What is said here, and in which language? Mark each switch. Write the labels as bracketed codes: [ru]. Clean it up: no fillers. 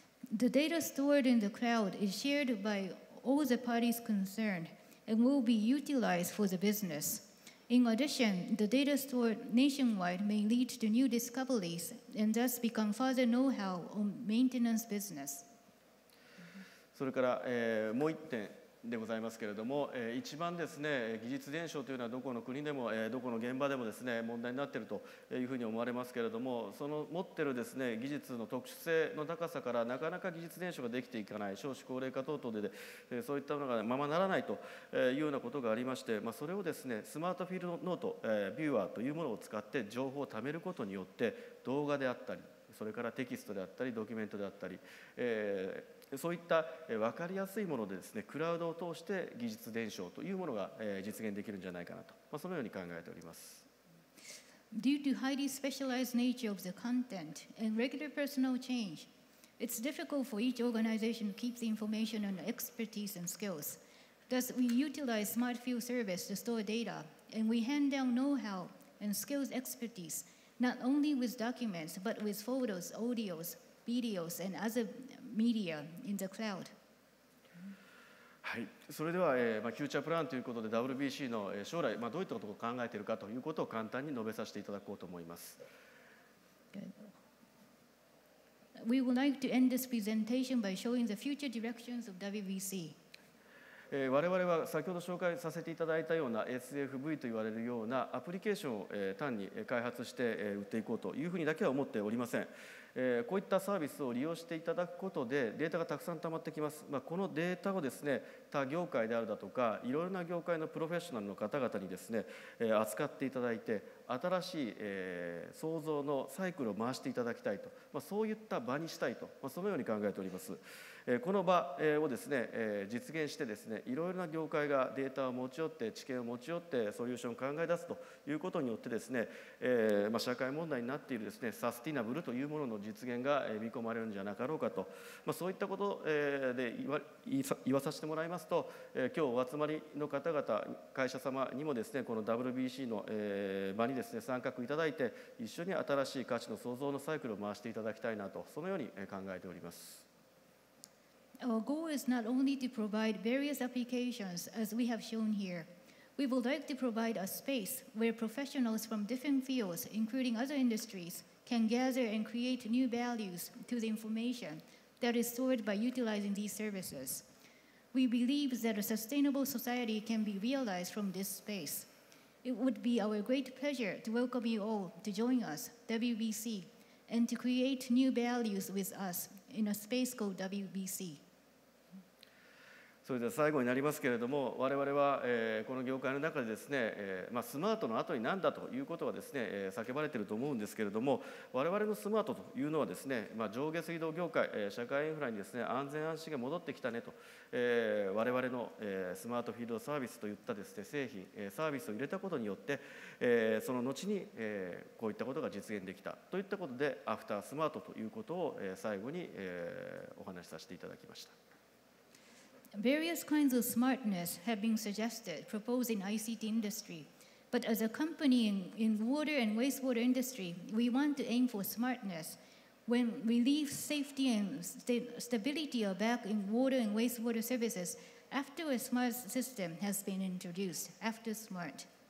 [en] The data stored in the cloud is shared by all the parties concerned and will be utilized for the business. In addition, the data stored nationwide may lead to new discoveries and thus become further know-how on maintenance business. [ja] それから、もう1点でございますけれども、一番ですね、技術伝承というのはどこの国でも、どこの現場でもですね、問題になっているというふうに思われますけれども、その持っているですね、技術の特殊性の高さからなかなか技術伝承ができていかない、少子高齢化等々で、そういったものがままならないというようなことがありまして、それをですね、スマートフィールドノート、ビューワーというものを使って情報を貯めることによって、動画であったり、それからテキストであったり、ドキュメントであったり、そういった分かりやすいものでですね、クラウドを通して技術伝承というものが実現できるんじゃないかなと、そのように考えております。 [en] Due to highly specialized nature of the content and regular personal change, it's difficult for each organization to keep the information and expertise and skills. Thus, we utilize smart field service to store data, and we hand down know-how and skills expertise, not only with documents, but with photos, audios,Videos and other media in the cloud. [ja] はい、それでは、キューチャープランということで WBC の将来、どういったことを考えているかということを簡単に述べさせていただこうと思います。 [en] Good. We would like to end this presentation by showing the future directions of WBC. [ja] 我々は先ほど紹介させていただいたような SFV と言われるようなアプリケーションを単に開発して売っていこうというふうにだけは思っておりません。こういったサービスを利用していただくことでデータがたくさん溜まってきます。このデータをですね、他業界であるだとかいろいろな業界のプロフェッショナルの方々にですね、扱っていただいて、新しい創造のサイクルを回していただきたいと、そういった場にしたいと、そのように考えております。この場をですね、実現してですね、いろいろな業界がデータを持ち寄って、知見を持ち寄ってソリューションを考え出すということによってですね、社会問題になっているですね、サスティナブルというものの実現が見込まれるんじゃなかろうかと、そういったことで言わさせてもらいますと、今日お集まりの方々、会社様にもですね、この WBC の場にですね、参画いただいて、一緒に新しい価値の創造のサイクルを回していただきたいなと、そのように考えております。 [en] Our goal is not only to provide various applications as we have shown here. We would like to provide a space where professionals from different fields, including other industries, can gather and create new values to the information that is stored by utilizing these services. We believe that a sustainable society can be realized from this space. It would be our great pleasure to welcome you all to join us, WBC, and to create new values with us in a space called WBC. [ja] それでは最後になりますけれども、我々はこの業界の中でですね、まあ、スマートの後に何だということはですね、叫ばれていると思うんですけれども、我々のスマートというのはですね、まあ、上下水道業界、社会インフラにですね、安全安心が戻ってきたねと、我々のスマートフィールドサービスといったですね、製品、サービスを入れたことによって、その後にこういったことが実現できたといったことで、アフタースマートということを最後にお話しさせていただきました。 [en] Various kinds of smartness have been suggested, proposed in ICT industry. But as a company in water and wastewater industry, we want to aim for smartness. When we leave safety and stability are back in water and wastewater services, after a smart system has been introduced, after smart.